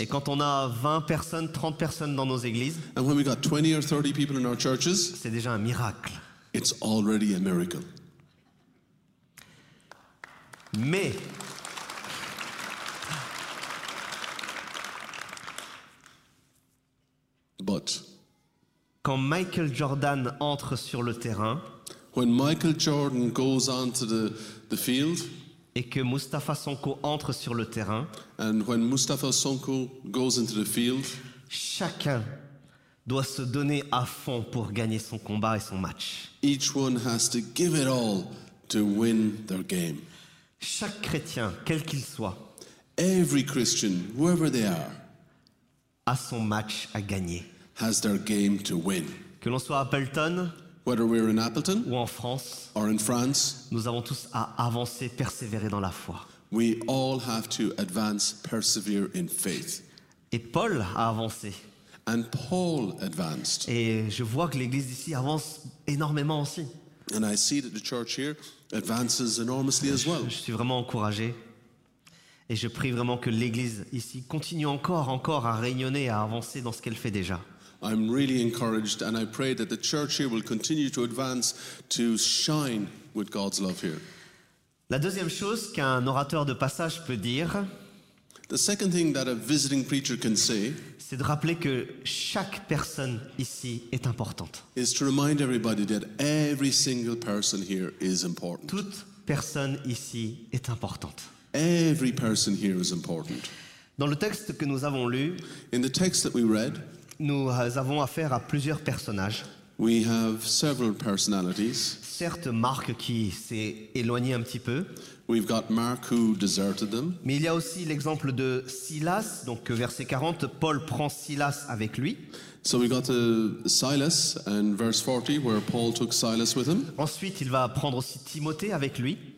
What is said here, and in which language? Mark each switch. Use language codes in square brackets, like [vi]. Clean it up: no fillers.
[fr] Et quand on a 20 personnes, 30 personnes dans nos églises. [en] And when we've got 20 or 30 people in our churches. [fr] C'est déjà un miracle. [en] It's already a miracle. [fr] Mais [en] but [fr] quand Michael Jordan entre sur le terrain, [en] when Michael Jordan goes onto the field, [fr] et que Mustafa Sonko entre sur le terrain, [en] and when Mustafa Sonko goes into the field, [fr] chacun doit se donner à fond pour gagner son combat et son match. [en] Each one has to give it all to win their game. [fr] Chaque chrétien, quel qu'il soit, [en] every Christian, whoever they are, [fr] a son match à gagner. [en] Has their game to win. [fr] Que l'on soit à Appleton, [en] whether we're in Appleton, [fr] ou en France, [en] or in France, [fr] nous avons tous à avancer, persévérer dans la foi. [en] We all have to advance, persevere in faith. [fr] Et Paul a avancé. [en] And Paul advanced. [fr] Et je vois que l'église d'ici avance énormément aussi. [en] And I see that the church here advances enormously as well. [fr] Je suis vraiment encouragé. Et je prie vraiment que l'église ici continue encore à rayonner, à avancer dans ce qu'elle fait déjà. [en] I'm really encouraged and I pray that the church here will continue to advance, to shine with God's love here. [fr] La deuxième chose qu'un orateur de passage peut dire, [en] the second thing that a visiting preacher can say, [fr] c'est de rappeler que chaque personne ici est importante. [en] Is to remind everybody that every single person here is important. [fr] Toute personne ici est importante. [en] Every person here is important. [fr] Dans le texte que nous avons lu, [en] in the text that we read, [fr] nous avons affaire à plusieurs personnages. [en] We have several personalities. [fr] Certes, Marc qui s'est éloigné un petit peu. [en] We've got Mark who deserted them. [fr] Mais il y a aussi l'exemple de Silas. Donc, verset 40, Paul prend Silas avec lui. [en] So we got Silas and verse 40 where Paul took Silas with him. [fr] Ensuite, il va prendre aussi Timothée avec lui.